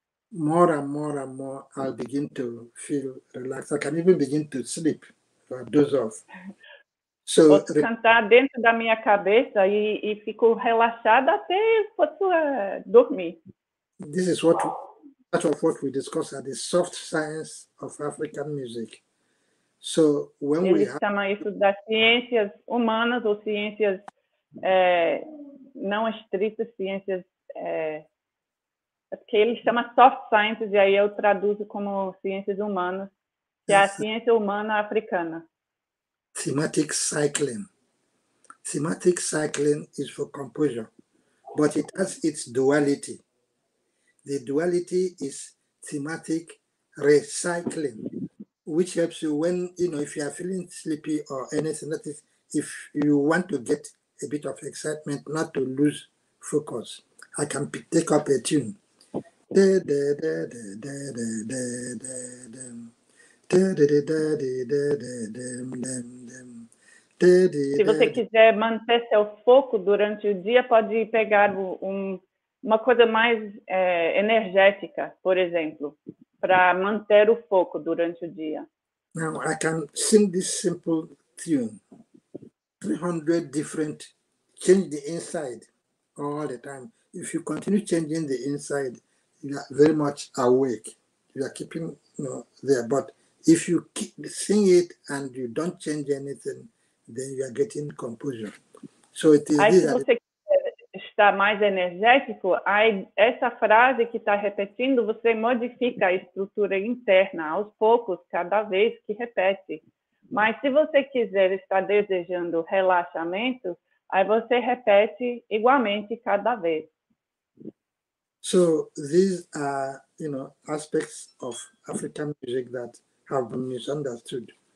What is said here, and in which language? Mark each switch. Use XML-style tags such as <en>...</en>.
<en>More and more and more, I'll begin to feel relaxed. I can even begin to sleep or doze off.</en> <pt>So, posso cantar dentro da minha cabeça e fico relaxada até posso dormir.</pt> <en>This is what we discuss at the soft science of African music. So when</en> <pt>eles</pt> <en>we have</en> <pt>chama isso das ciências humanas ou ciências não estritas, ciências porque ele chama soft sciences e aí eu traduzo como ciências humanas, que é a ciência humana africana.</pt> <en>Thematic cycling. Thematic cycling is for composure, but it has its duality. The duality is thematic recycling, which helps you when, you know, if you are feeling sleepy or anything, that is, if you want to get a bit of excitement, not to lose focus. I can take up a tune.</en> <pt>Se você quiser manter seu foco durante o dia, pode pegar uma coisa mais energética, por exemplo, para manter o foco durante o dia.</pt> <en>Now I can sing this simple tune 300 different, change the inside all the time. If you continue changing the inside, you are very much awake. You are keeping, you know, there. But if you sing it and you don't change anything, then you are getting composure. So it is.</en> <pt>Aí, se você está mais energético, aí essa frase que está repetindo, você modifica a estrutura interna aos poucos, cada vez que repete. Mas se você quiser estar desejando relaxamento, aí você repete igualmente cada vez.</pt> <en>So these are, you know, aspects of African music that have been misunderstood.</en>